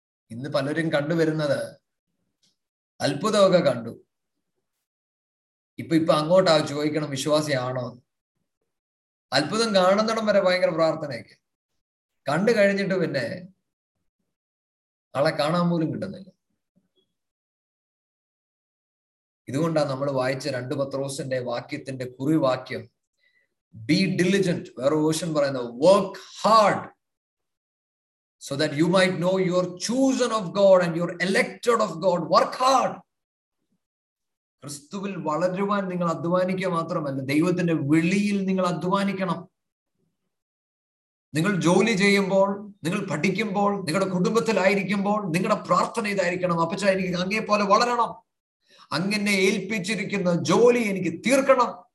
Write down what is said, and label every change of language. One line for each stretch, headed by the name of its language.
Malayalam: ഇന്ന് പലരും കണ്ടുവരുന്നത് അത്ഭുതമൊക്കെ കണ്ടു, ഇപ്പൊ അങ്ങോട്ടാ ചോദിക്കണം വിശ്വാസിയാണോ. അത്ഭുതം കാണുന്നിടം വരെ ഭയങ്കര പ്രാർത്ഥനയൊക്കെ, കണ്ടു കഴിഞ്ഞിട്ട് പിന്നെ ആളെ കാണാൻ പോലും കിട്ടുന്നില്ല. ഇതുകൊണ്ടാണ് നമ്മൾ വായിച്ച രണ്ട് പത്രോസിന്റെ വാക്യത്തിന്റെ കുറിവാക്യം,
English: be diligent,
Malayalam: വേറെ വേർഷൻ പറയുന്നത്
English: Work hard so that you might know you are chosen of God and you are elected of God. Work hard.
Malayalam: ക്രിസ്തുവിൽ വളരുവാൻ നിങ്ങൾ അധ്വാനിക്കുക മാത്രമല്ല, ദൈവത്തിന്റെ വിളിയിൽ നിങ്ങൾ അധ്വാനിക്കണം. നിങ്ങൾ ജോലി ചെയ്യുമ്പോൾ, നിങ്ങൾ പഠിക്കുമ്പോൾ, നിങ്ങളുടെ കുടുംബത്തിലായിരിക്കുമ്പോൾ നിങ്ങളുടെ പ്രാർത്ഥന ഇതായിരിക്കണം. അപ്പച്ചായിരിക്കും അങ്ങേ പോലെ വളരണം, അങ്ങനെ ഏൽപ്പിച്ചിരിക്കുന്ന ജോലി എനിക്ക് തീർക്കണം.